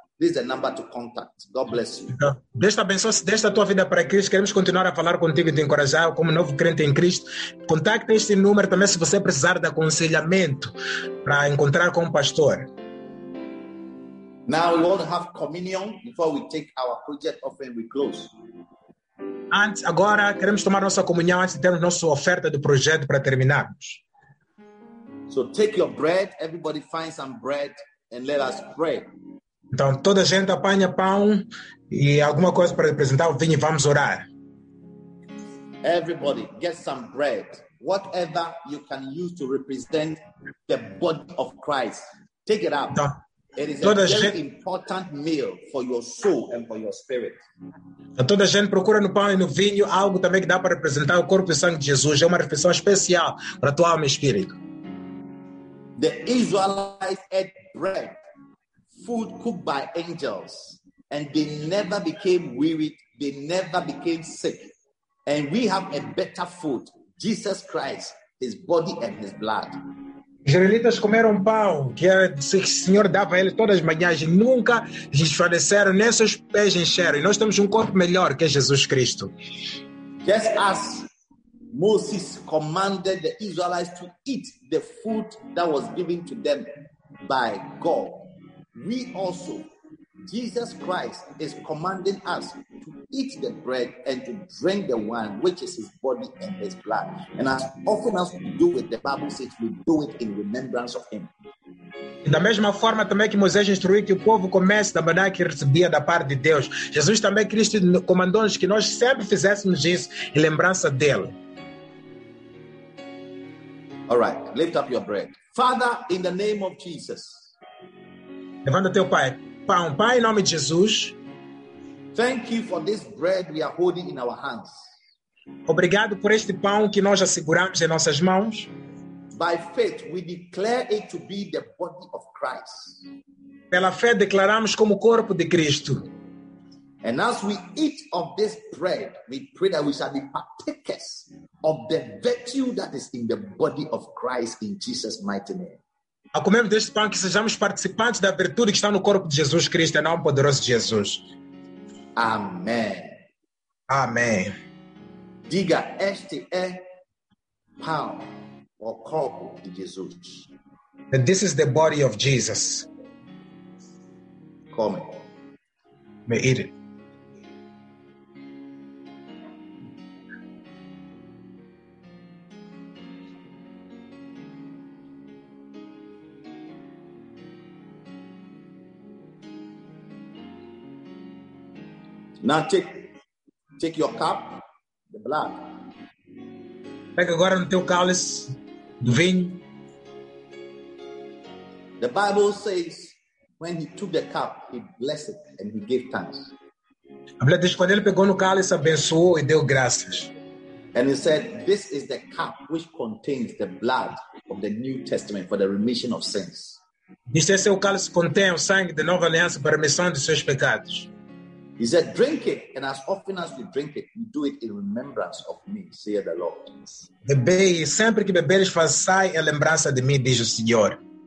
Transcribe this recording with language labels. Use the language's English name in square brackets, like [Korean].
[English] This is the number to contact. God bless you. [Portuguese] Deus te abençoe. Deixa a tua vida para Cristo. Queremos continuar a falar contigo e te encorajar como novo crente em Cristo. Contacte este número também se você precisar de aconselhamento para encontrar com o pastor. [English] Now we want to have communion before we take our project offering. We close. [Portuguese] Antes, agora queremos tomar nossa comunhão antes de termos nossa oferta do projeto para terminarmos. [English] So take your bread. Everybody find some bread and let us pray. [Portuguese] Então toda a gente apanha pão e alguma coisa para apresentar o vinho e vamos orar. [English] Everybody get some bread. Whatever you can use to represent the body of Christ. Take it up. [Portuguese] Então, [English] it is a very important meal for your soul and for your spirit. [Portuguese] Toda a gente procura no pão e no vinho algo também que dá para representar o corpo e o sangue de Jesus. É uma refeição especial para a tua alma e espírito. [English] The Israelites ate bread, food cooked by angels, and they never became weary, they never became sick. And we have a better food, Jesus Christ, his body and his blood. [Portuguese] Os israelitas comeram pão, que era o que o Senhor dava a eles todas as manhãs, e nunca desfaleceram, nem seus pés encheram. E nós temos um corpo melhor que é Jesus Cristo. [English] Just as Moses commanded the Israelites to eat the food that was given to them by God, we also, Jesus Christ is commanding us to eat the bread and to drink the wine, which is his body and his blood. And as often as we do it, the Bible says we do it in remembrance of him. [Portuguese] E da mesma forma também que Moisés instruiu que o povo comece da maneira que recebia da parte de Deus, Jesus também, Cristo, comandou-nos que nós sempre fizéssemos isso em lembrança dele. [English] All right, lift up your bread. Father, in the name of Jesus. [Portuguese] Levanta teu pai. Pão, pai, em nome de Jesus. [English] Thank you for this bread we are holding in our hands. [Portuguese] Obrigado por este pão que nós asseguramos em nossas mãos. [English] By faith, we declare it to be the body of Christ. [Portuguese] Pela fé, declaramos como corpo de Cristo. [English] And as we eat of this bread, we pray that we shall be partakers of the virtue that is in the body of Christ in Jesus' mighty name. [Portuguese] Ao comermos deste pão, que sejamos participantes da virtude que está no corpo de Jesus Cristo, em nome poderoso de Jesus. Amém. Amém. Diga, este é pão, o corpo de Jesus. [English] And this is the body of Jesus. Come. May eat it. Now take your cup, the blood. [Portuguese] Pega agora no teu cálice do vinho. [English] The Bible says, when he took the cup, he blessed it and he gave thanks. [Portuguese] A Bíblia diz que quando ele pegou no cálice, abençoou e deu graças. [English] And he said, this is the cup which contains the blood of the New Testament for the remission of sins. [Portuguese] Diz que esse é o cálice que contém o sangue da nova aliança para a remissão de seus pecados. [English] He said, drink it, and as often as we drink it, we do it in remembrance of me, saith the Lord. [Portuguese] Bebei, sempre que beberes, façai a lembrança de mim, diz o Senhor.